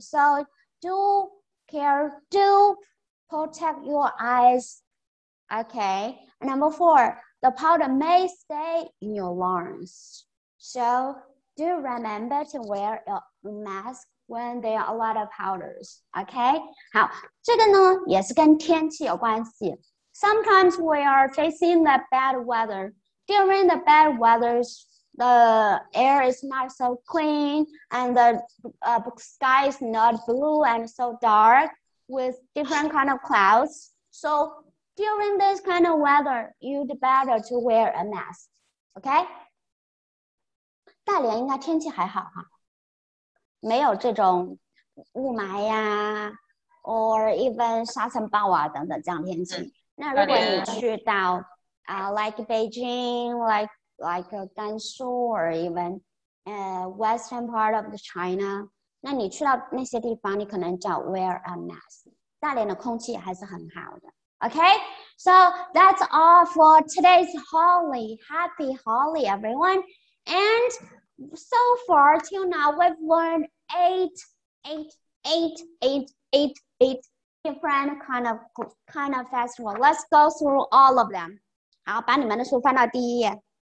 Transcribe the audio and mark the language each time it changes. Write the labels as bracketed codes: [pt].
[en] So do care, do protect your eyes. Okay. Number four, the powder may stay in your lungs. So do remember to wear a mask when there are a lot of powders. Okay. [zh] 好，这个呢也是跟天气有关系。 [en] Sometimes we are facing the bad weather. During the bad weather, the air is not so clean and the、sky is not blue and so dark with different kind of clouds. So during this kind of weather, you'd better to wear a mask. Okay? [zh] 大连应该天气还好哈，没有这种雾霾呀、 [en] or even [zh] 沙尘暴啊等等这样天气。那如果你去到、 [en] like Beijing, like Gansu, or even、western part of China, [zh] 那你去到那些地方，你可能叫 [en] wear a mask. [zh] 大连的空气还是很好的。 [en] Okay, so that's all for today's holiday. Happy holiday, everyone. And so far, till now, we've learned eight. Different kind of festival. Let's go through all of them. [zh] 好，把你们的书翻到第一页。